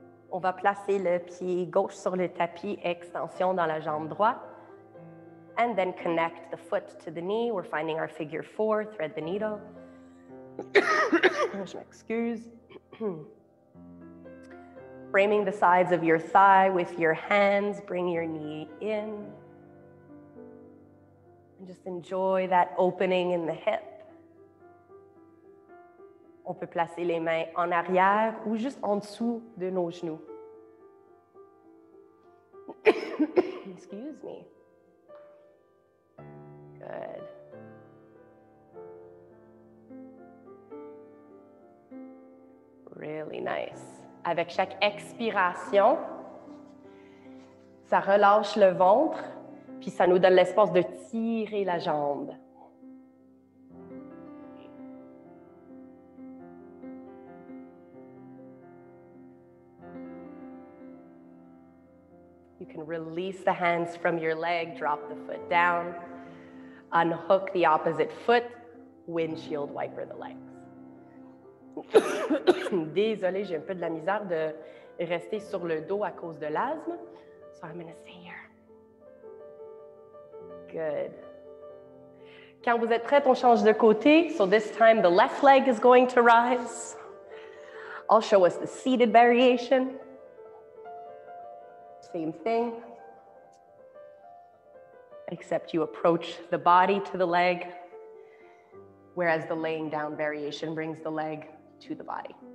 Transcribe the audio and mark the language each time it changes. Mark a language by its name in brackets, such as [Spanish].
[French] On va placer le pied gauche sur le tapis, extension dans la jambe droite. [English] And then connect the foot to the knee. We're finding our figure four, thread the needle. [French] Je m'excuse. [English] Framing the sides of your thigh with your hands, bring your knee in. And just enjoy that opening in the hip. [French] On peut placer les mains en arrière ou juste en dessous de nos genoux. [English] Excuse me. Good. Really nice. [French] Avec chaque expiration, ça relâche le ventre, puis ça nous donne l'espace de tirer la jambe. [English] You can release the hands from your leg, drop the foot down, unhook the opposite foot, windshield wiper the leg. [French] Désolée, j'ai un peu de la misère de rester sur le dos à cause de l'asthme. [English] So I'm gonna stay here. [French] Good. Quand vous êtes prête, on change de côté. [English] So this time the left leg is going to rise. I'll show us the seated variation. Same thing. Except you approach the body to the leg. Whereas the laying down variation brings the leg to the body.